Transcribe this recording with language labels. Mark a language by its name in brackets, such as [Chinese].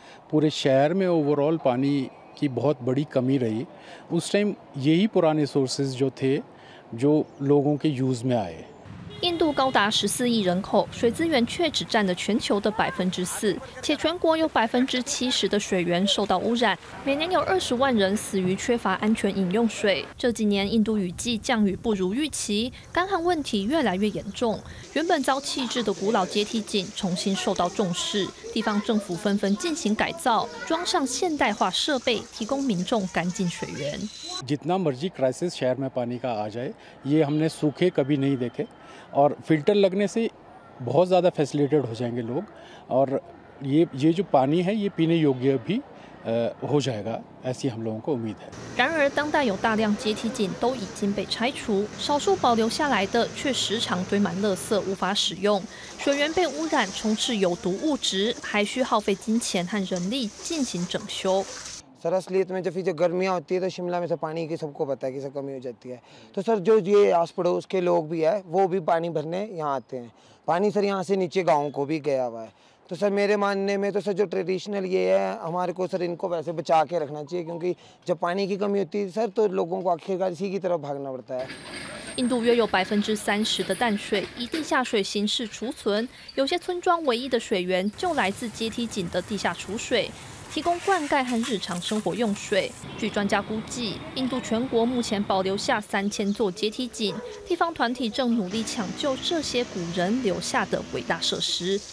[Hindi] पूरे शहर में ओवरऑल पानी की बहुत बड़ी कमी रही उस टाइम यही पुराने सोर्सेज जो थे जो लोगों के यूज में आए [Chinese] 印度高达14亿人口，水资源却只占了全球的4%，且全国有70%的水源受到污染，每年有20万人死于缺乏安全饮用水。这几年印度雨季降雨不如预期，干旱问题越来越严重。原本遭弃置的古老阶梯井重新受到重视，地方政府纷纷进行改造，装上现代化设备，提供民众干净水源。 [Hindi] जितना मर्जी क्राइसिस शहर में पानी का आ जाए, ये हमने सूखे कभी नहीं देखे. और फिल्टर लगने से बहुत ज़्यादा फैसिलिटेड हो जाएंगे लोग और ये जो पानी है ये पीने योग्य भी हो जाएगा ऐसी हम लोगों को उम्मीद है [Chinese] 然而当代有大量阶梯井都已经被拆除少数保留下来的却时常堆满垃圾无法使用水源被污染充斥有毒物质还需耗费金钱和人力进行整修 [Hindi] सर असली में जब ये गर्मियाँ होती है तो शिमला में से पानी की सबको पता है कि सब कमी हो जाती है तो सर जो ये आस पड़ोस के लोग भी है वो भी पानी भरने यहाँ आते हैं पानी सर यहाँ से नीचे गांवों को भी गया हुआ है तो सर मेरे मानने में तो सर जो ट्रेडिशनल ये है हमारे को सर इनको वैसे बचा के रखना चाहिए क्योंकि जब पानी की कमी होती है सर तो लोगों को आखिरकार इसी की तरफ भागना पड़ता है [Chinese] 印度约有30%的淡水以地下水形式储存有些村庄唯一的水源就来自阶梯井的地下储水提提供灌溉和日常生活用水。据专家估计，印度全国目前保留下3000座阶梯井，地方团体正努力抢救这些古人留下的伟大设施。